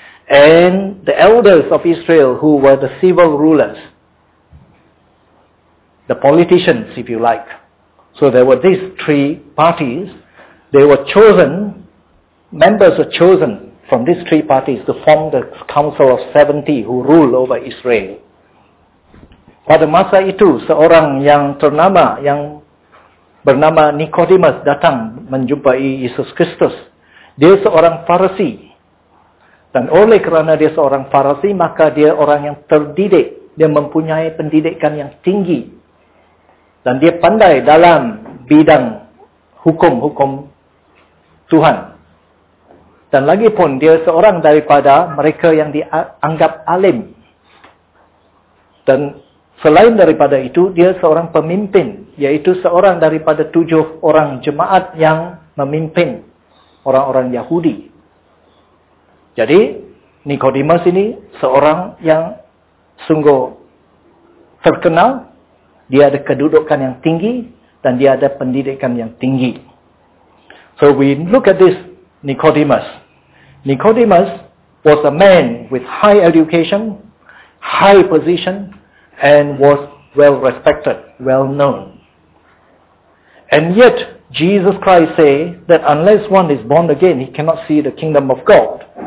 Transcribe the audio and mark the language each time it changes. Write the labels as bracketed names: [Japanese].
[English] And the elders of Israel, who were the civil rulers. The politicians, if you like. So there were these 3 parties. They were chosen, members were chosen from these 3 parties to form the Council of 70 who rule over Israel. [Malay] Pada masa itu, seorang yang ternama, yang bernama Nicodemus datang menjumpai Yesus Kristus. Dia seorang Farisee. Dan oleh kerana dia seorang Farisee, maka dia orang yang terdidik. Dia mempunyai pendidikan yang tinggi. Dan dia pandai dalam bidang hukum-hukum Tuhan. Dan lagipun dia seorang daripada mereka yang dianggap alim. Dan selain daripada itu, dia seorang pemimpin, yaitu seorang daripada 7 orang jemaat yang memimpin orang-orang Yahudi. Jadi, Nicodemus ini seorang yang sungguh terkenal, dia ada kedudukan yang tinggi, dan dia ada pendidikan yang tinggi. [English] So we look at this Nicodemus. Nicodemus was a man with high education, high position, and was well respected, well known. And yet, Jesus Christ say that unless one is born again, he cannot see the kingdom of God.